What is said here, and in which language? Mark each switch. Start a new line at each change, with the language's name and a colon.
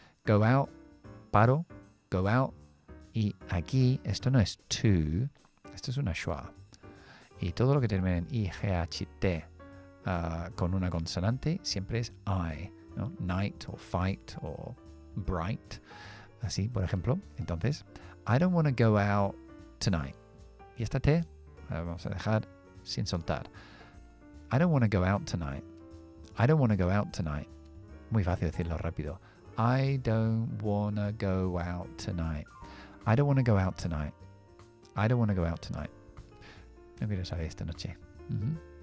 English: Go out.
Spanish: Paro. Go out. Y aquí, esto no es to. Esto es una schwa. Y todo lo que termina en I-G-H-T con una consonante siempre es I. ¿No? Night o fight o bright. Así, por ejemplo.
English: Entonces, I don't want to go out tonight.
Spanish: Y esta T vamos a dejar sin soltar.
English: I don't want to go out tonight. I don't want to go out tonight.
Spanish: Muy fácil decirlo rápido.
English: I don't want to go out tonight. I don't want to go out tonight. I don't want to go out tonight.
Spanish: No quiero salir esta noche.
English: Mm-hmm.